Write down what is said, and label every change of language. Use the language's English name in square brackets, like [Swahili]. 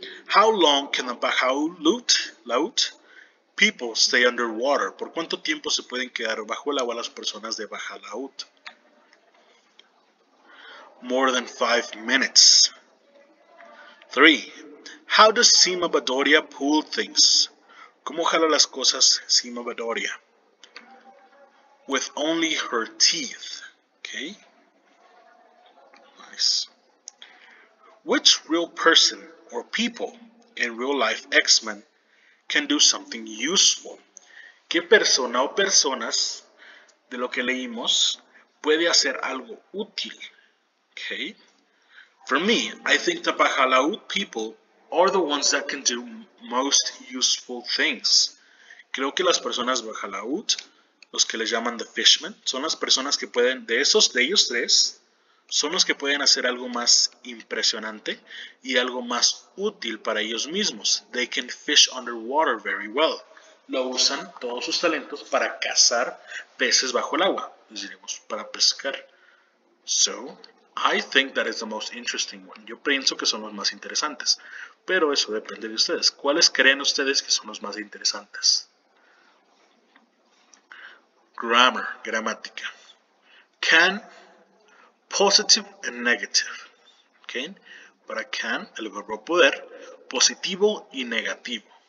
[English] How long can the Bajau Laut people stay underwater? [Spanish] ¿Por cuánto tiempo se pueden quedar bajo el agua las personas de Bajalaut? [English] More than 5 minutes. 3. How does Sima Badoria pull things? [Spanish] ¿Cómo jala las cosas Sima Badoria? [English] With only her teeth. Okay. Nice. Which real person or people in real life X-Men can do something useful? [Spanish] ¿Qué persona o personas de lo que leímos puede hacer algo útil? [English] Okay. For me, I think the Bajalaut people are the ones that can do most useful things. [Spanish] Creo que las personas Bajalaut, los que les llaman [English] the fishmen, [Spanish] son las personas que pueden, de esos, de ellos tres, son los que pueden hacer algo más impresionante y algo más útil para ellos mismos. [English] They can fish underwater very well. [Spanish] Lo usan todos sus talentos para cazar peces bajo el agua. Les diremos, para pescar. [English] So, I think that is the most interesting one. [Spanish] Yo pienso que son los más interesantes. Pero eso depende de ustedes. ¿Cuáles creen ustedes que son los más interesantes? [English] Grammar, gramática. Can, positive and negative. Okay? [Spanish] Para can, el verbo poder, positivo y negativo.